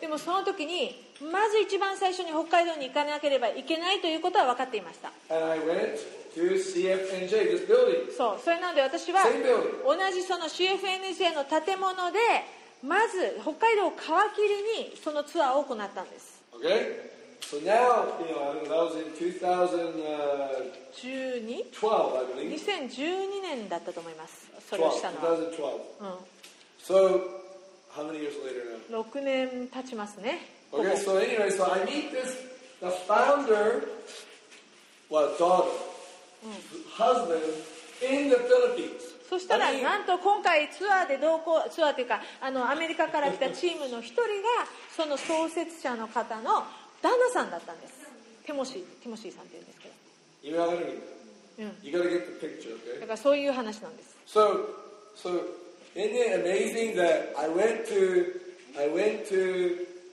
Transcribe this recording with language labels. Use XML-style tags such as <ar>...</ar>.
<ja>でもその時にまず一番最初に北海道に行かなければいけないということは分かっていました。</ja> <en>And I went to CFNJ, this building.</en> <ja>そう、それなので私は同じその CFNJ の建物でまず北海道を皮切りにそのツアーを行ったんです。</ja> <en>Okay. So now, you know, that was in 2012, I believe.</en> <ja>2012年だったと思います。それをしたの</ja> <en>は。2012. So, how many years later now?</en> <ja>6年経ちますね。</ja> <en>Okay, so anyway, so I meet this, the founder, well, daughter, husband, in the Philippines.</en> <ja>そしたら、なんと今回ツアーで同行、ツアーというか、あのアメリカから来たチームの一人が、その創設者の方の旦那さんだったんです。ティモシーさんっていうんですけど。今上がるんだ。</ja> <en>You gotta get the picture, okay?</en> <ja>だからそういう話なんです。</ja> <en>So, isn't it amazing that I went to...</en>